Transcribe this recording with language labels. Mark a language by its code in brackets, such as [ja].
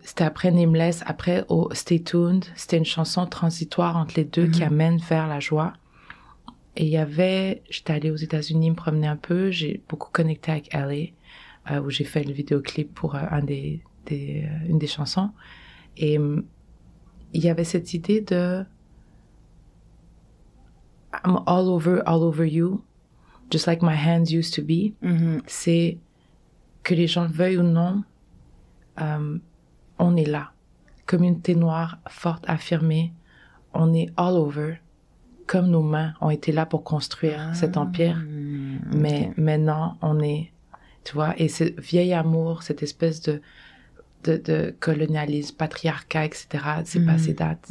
[fr] C'était après Nameless, après Stay Tuned, c'était une chanson transitoire entre les deux qui amène vers la joie. Et il y avait... J'étais allée aux États-Unis me promener un peu, j'ai beaucoup connecté avec LA, où j'ai fait le vidéoclip pour une des chansons. Et il y avait cette idée de... [en] I'm all over you, just like my hands used to be. [fr] C'est que les gens le veuillent ou non, on est là. Communauté noire, forte, affirmée, on est all over, comme nos mains ont été là pour construire cet empire. Mais maintenant, on est, tu vois, et ce vieil amour, cette espèce de colonialisme, patriarcat, etc., c'est passé date.